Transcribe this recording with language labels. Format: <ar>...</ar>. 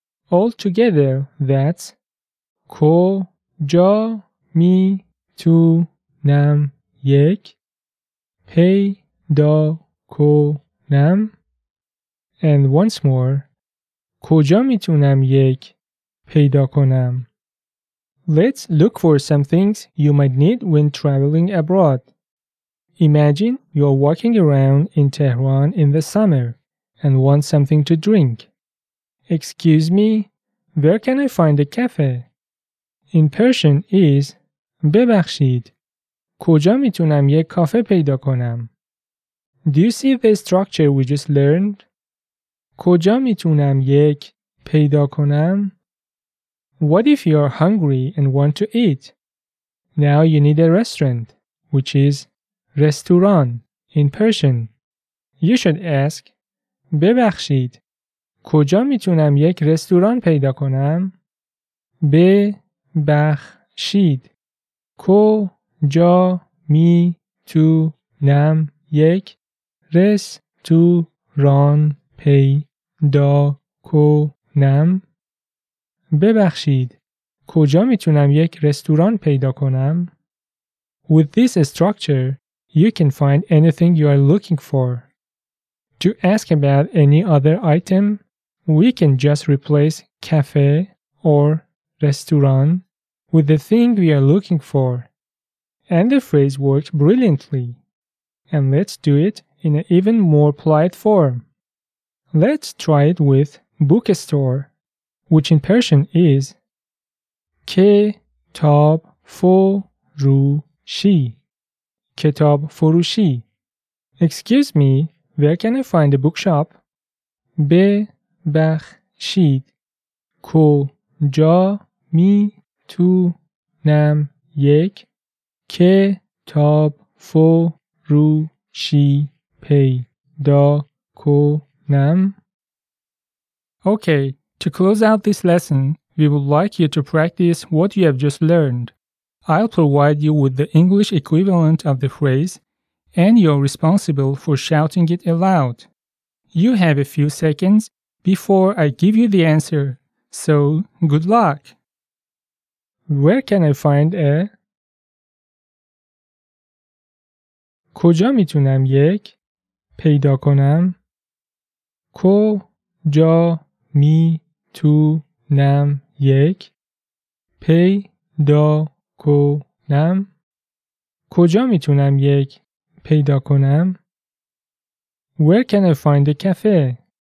<en>All together, that's</en> <fa>کجا می تونم یک پیدا کنم.</fa> <en>And once more,</en> <fa>کجا می تونم یک پیدا کنم.</fa> <en>Let's look for some things you might need when traveling abroad. Imagine you are walking around in Tehran in the summer and want something to drink. Excuse me, where can I find a cafe? In Persian is</en> <fa>ببخشید کجا میتونم یک کافه پیدا کنم.</fa> <en>Do you see the structure we just learned?</en> <fa>کجا میتونم یک پیدا کنم.</fa> <en>What if you are hungry and want to eat? Now you need a restaurant, which is restaurant in Persian. You should ask</en> <fa>ببخشید کجا میتونم یک رستوران پیدا کنم. ببخشید کجا می تو نم یک رستوران پیدا کنم. ببخشید کجا می تونم یک رستوران پیدا کنم.</fa> <en>With this structure, you can find anything you are looking for. To ask about any other item, we can just replace cafe or restaurant with the thing we are looking for. And the phrase worked brilliantly. And let's do it in an even more polite form. Let's try it with bookstore, which in Persian is kitab furushi. Kitab furushi. Excuse me, where can I find a bookshop?</en> <fa>Be bakhshid koja می تونم یک کتاب فروشی پیدا کنم.</fa> <en>Okay, to close out this lesson, we would like you to practice what you have just learned. I'll provide you with the English equivalent of the phrase, and you're responsible for shouting it aloud. You have a few seconds before I give you the answer, so good luck! Where can I find a</en> <fa>کجا میتونم یک پیدا کنم؟ کجا میتونم یک پیدا کنم؟ کجا میتونم یک پیدا کنم؟</fa> <en>Where can I find a cafe؟</en>